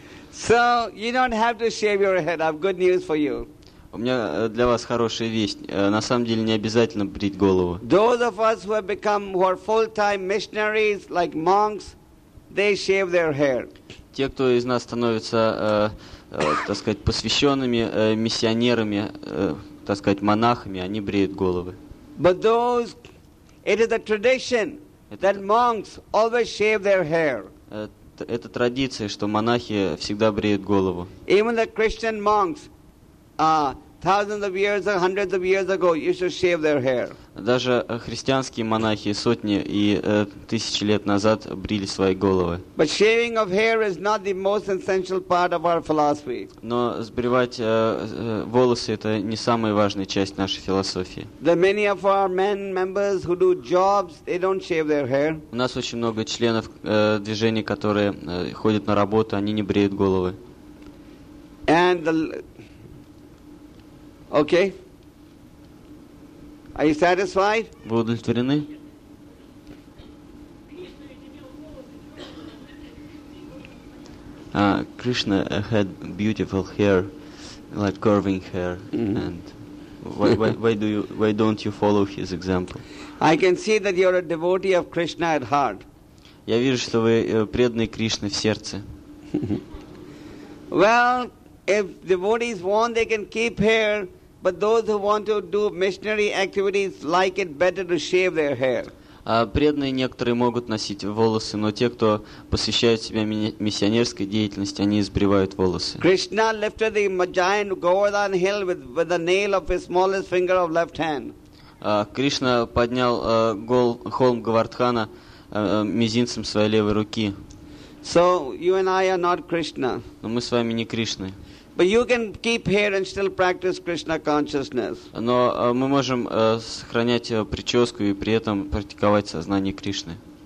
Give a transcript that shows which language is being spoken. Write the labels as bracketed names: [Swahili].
[English] So, you don't have to shave your head. I've good news for you. [Russian] У меня для вас хорошая весть. На самом деле, не обязательно брить голову. [English] Those of us who have become who are full-time missionaries, like monks, they shave their hair. [Russian] Те, кто из нас становятся, так сказать, посвященными миссионерами, так сказать, монахами, они бреют головы. [English] But those, it is a tradition that monks always shave their hair. [Russian] Это традиция, что монахи всегда бреют голову. [English] Even the Christian monks, thousands of years or hundreds of years ago, used to shave their hair. [Russian] Даже христианские монахи сотни и тысячи лет назад брили свои головы. [English] But shaving of hair is not the most essential part of our philosophy. [Russian] Но сбривать волосы – это не самая важная часть нашей философии. [English] There are many of our men members who do jobs, they don't shave their hair. [Russian] У нас очень много членов движения, которые ходят на работу, они не бреют головы. [English] And the okay. Are you satisfied? [Russian] Вы удовлетворены? [English] Krishna had beautiful hair, like curving hair. Mm-hmm. And why don't you follow his example? I can see that you're a devotee of Krishna at heart. [Russian] Я вижу, что вы преданный Кришне в сердце. [English] Well, if devotees want, they can keep hair. But those who want to do missionary activities like it better to shave their hair. [Russian] Преданные некоторые могут носить волосы, но те, кто посвящают себя миссионерской деятельности, они избривают волосы. [English] Krishna lifted the giant Govardhan hill with the nail of his smallest finger of left hand. [Russian] Кришна поднял холм Говардхана мизинцем своей левой руки. [English] So you and I are not Krishna. [Russian] Но мы с вами не Кришны. [English] But you can keep here and still practice Krishna consciousness. [Russian] Но мы можем сохранять прическу и при этом практиковать сознание Кришны.